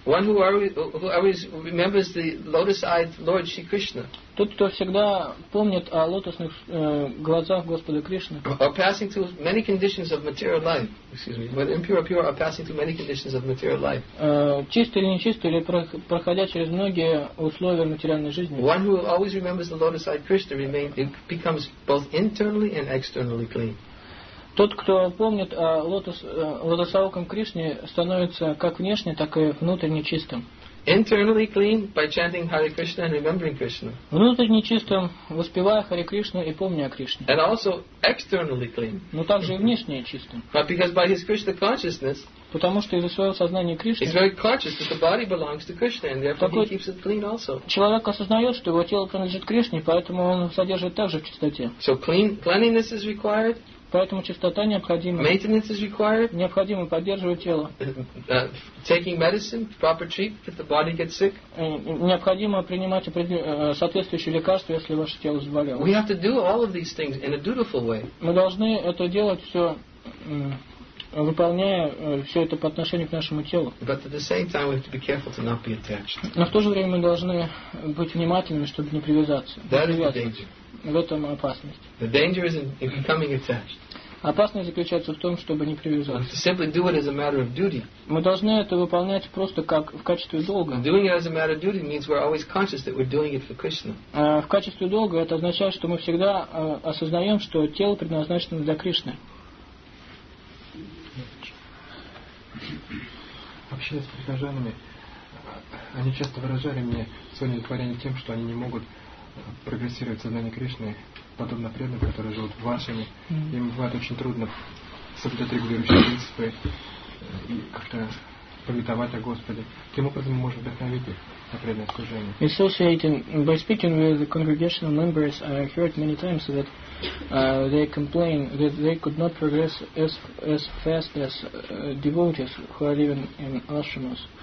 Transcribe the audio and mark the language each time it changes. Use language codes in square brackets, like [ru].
[en] One who always remembers the lotus-eyed Lord Shri Krishna. [ru] Тот, кто всегда помнит о лотосных глазах Господа Кришны. [en] Are passing through many conditions of material life. Excuse me. Whether impure or pure, are passing through many conditions of material life. [ru] Чистый или нечистый, или проходя через многие условия материальной жизни. [en] One who always remembers the lotus-eyed Krishna becomes both internally and externally clean. [ru] Тот, кто помнит о лотосовоком Кришне, становится как внешне, так и внутренне чистым. [en] Internally clean by chanting Hare Krishna and remembering Krishna. [ru] Внутренне чистым, воспевая Хари Кришну и помня о Кришне. [en] And also externally clean. [ru] Но также и внешне чистым. [en] But because by his Krishna consciousness. [ru] Потому что из-за своего сознания Кришны. [en] He's very conscious that the body belongs to Krishna and therefore he keeps it clean also. [ru] Человек осознает, что его тело принадлежит Кришне, поэтому он содержит также в чистоте. [en] So cleanliness is required. [ru] Поэтому чистота необходима. [en] Maintenance is required. [ru] Необходимо поддерживать тело. [en] Taking medicine, proper treatment if the body gets sick. [ru] Необходимо принимать соответствующие лекарства, если ваше тело заболело. [en] We have to do all of these things in a dutiful way. [ru] Мы должны это делать все, выполняя все это по отношению к нашему телу. [en] But at the same time we have to be careful to not be attached. [ru] Но в то же время мы должны быть внимательными, чтобы не привязаться. [en] That is the danger. [ru] В этом опасность. [en] The danger is in becoming attached. [ru] Опасность заключается в том, чтобы не привязаться. [en] To simply do it as a matter of duty. [ru] Мы должны это выполнять просто как в качестве долга. [en] Doing it as a matter of duty means we're always conscious that we're doing it for Krishna. [ru] В качестве долга это означает, что мы всегда осознаем, что тело предназначено для Кришны. Общаясь с прихожанами, они часто выражали мне свое удовлетворение тем, что они не могут прогрессировать сознание Кришны, подобно преданным, которые живут в ашраме. Им бывает очень трудно соблюдать регулирующие принципы и как-то памятовать о Господе. Таким образом мы можем вдохновить их на преданное служение. [en] Associating by speaking with the congregational members, I heard many times that they complain that they could not progress as fast as devotees who are living in ashramas.